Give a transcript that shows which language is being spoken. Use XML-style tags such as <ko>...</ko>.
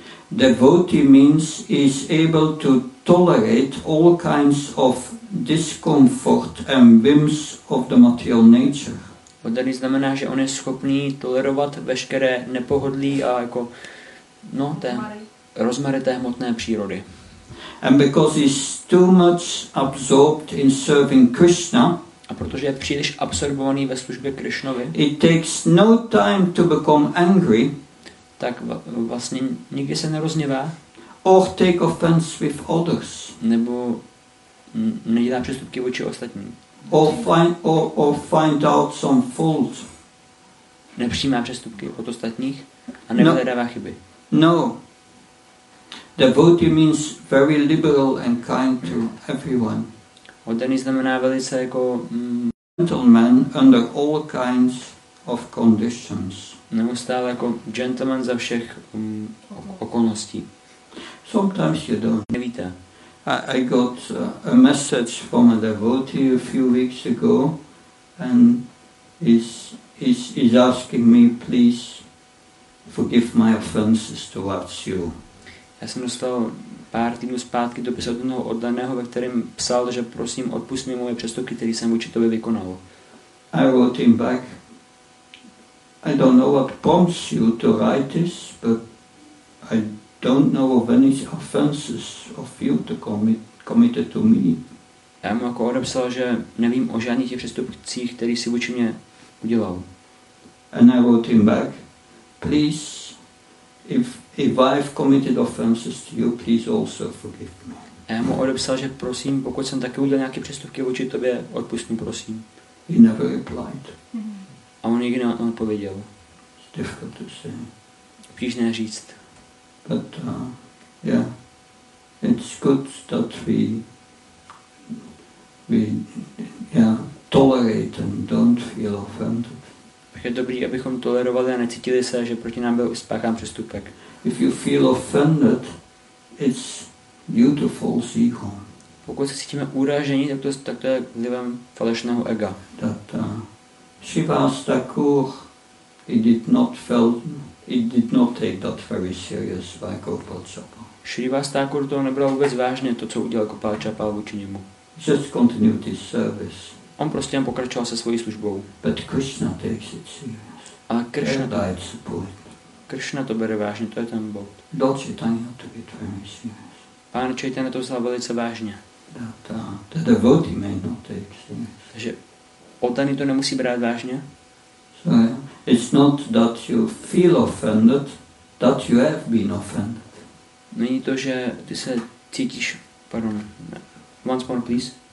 <en>Devotee means is able to tolerate all kinds of discomfort and whims of the material nature.</en> <cs>Oddaný znamená, že on je schopný tolerovat veškeré nepohodlí a jako rozmary té hmotné přírody.</cs> <en>And because he's too much absorbed in serving Krishna,</en> <cs>a protože je příliš absorbovaný ve službě Krishnovi,</cs> <en>it takes no time to become angry,</en> <cs>tak vlastně nikdy se nerozněvá,</cs> <en>or take offense with others,</en> <cs>nebo nedělá přestupky vůči ostatním.</cs> <en>Or find out some faults.</en> <cs>Nepřijímá přestupky od ostatních a nevyhledává chyby.</cs> <en>No. Devotee means very liberal and kind to everyone.</en> <cs>Oddaný znamená velice jako</cs> <en>gentleman under all kinds of conditions.</en> <cs>Neustále jako gentleman za všech okolností.</cs> <en>Sometimes you don't.</en> <cs>Nevíte.</cs> <en>I got a message from a devotee a few weeks ago, and is asking me, please forgive my offenses towards you.</en> <cs>Já jsem dostal pár týdnů zpátky dopis od jednoho oddaného, ve kterém psal, že prosím odpust mi moje přestupky, které jsem vůči tobě vykonal.</cs> <en>I wrote him back. I don't know what prompts you to write this, but I don't know of any offenses of you to committed to me.</en> <cs>Já mu jako odepsal, že nevím o žádných těch přestupcích, které si vůči mě udělal.</cs> <en>And I wrote him back, please, if I've committed offenses to you, please also forgive me.</en> <cs>A já mu odepsal, že prosím, pokud jsem taky udělal nějaké přestupky vůči tobě, odpust mi prosím.</cs> <en>He never replied.</en> <cs>A on nikdy neodpověděl.</cs> <en>It's difficult to say.</en> <cs>Obtížné říct.</cs> <en>But yeah, it's good that we tolerate and don't feel offended.</en> <cs>Je dobrý, abychom tolerovali a necítili se, že proti nám byl spáchán přestupek.</cs> <en>If you feel offended, it's due to false ego.</en> <cs>Pokud se cítíme uražení, tak to je vlivem falešného ega.</cs> <en>Shivas Thakur, he did not take that very serious by Gopal Chapa.</en> <cs>Shivas Thakur to nebral vůbec vážně, to, co udělal Gopal Chapa vůči němu.</cs> <en>Just continued his service.</en> <cs>On prostě jen pokračoval se svojí službou.</cs> <en>But Krishna takes it serious.</en> <cs>Ale Krishna to, died support. Krishna to bere vážně, to je ten bod.</cs> <en>Dolce Tanya took it very serious.</en> <cs>Pán Chaitanya to vzal velice vážně.</cs> <en>The devotee may not take serious.</en> <cs>Takže otany to nemusí brát vážně.</cs> <en>So, it's not that you feel offended, that you have been offended.</en> <cs>Není to, že ty se cítíš, pardon,</cs> <en>once more please.</en>